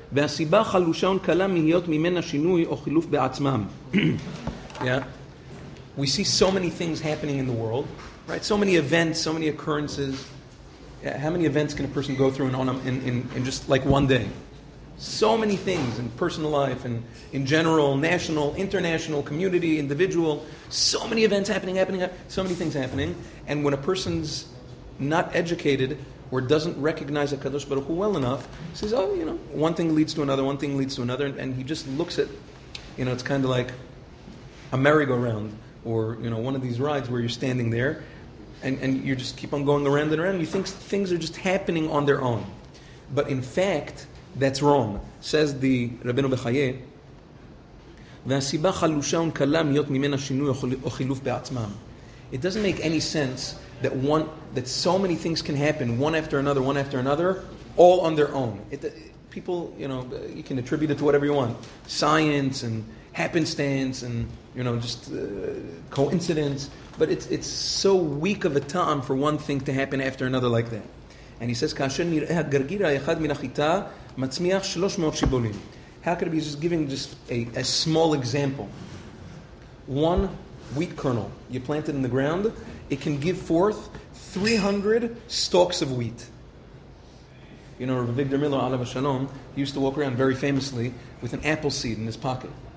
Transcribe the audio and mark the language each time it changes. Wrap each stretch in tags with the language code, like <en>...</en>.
<he>והסיבה חלושה ונקלה מהיות ממנה שינוי או חילוף בעצמם.</he> <en>Yeah? We see so many things happening in the world, right? So many events, so many occurrences. How many events can a person go through in just like one day? So many things in personal life and in general, national, international, community, individual. So many events happening. So many things happening. And when a person's not educated or doesn't recognize a Kadosh Baruch Hu well enough, he says, oh, you know, one thing leads to another. And he just looks at, you know, it's kind of like a merry-go-round or, you know, one of these rides where you're standing there and you just keep on going around and around. You think things are just happening on their own. But in fact... That's wrong, says the Rabbeinu Bechaye.</en> <he>והסיבה חלושה ונקלה מיות ממנה שינוי או חילוף בעצמם.</he> <en>It doesn't make any sense that so many things can happen one after another, all on their own. People, you know, you can attribute it to whatever you want. Science and happenstance and, you know, just coincidence. But it's so weak of a time for one thing to happen after another like that. And he says,</en> <he>כאשר נראה הגרגיר האחד מן החיטה, מצמיח 300 שיבולים.</he> <en>How could it be? He's just giving just a small example. One wheat kernel, you plant it in the ground, it can give forth 300 stalks of wheat. You know, Rav Victor Miller, Alav HaShalom, he used to walk around very famously with an apple seed in his pocket.</en>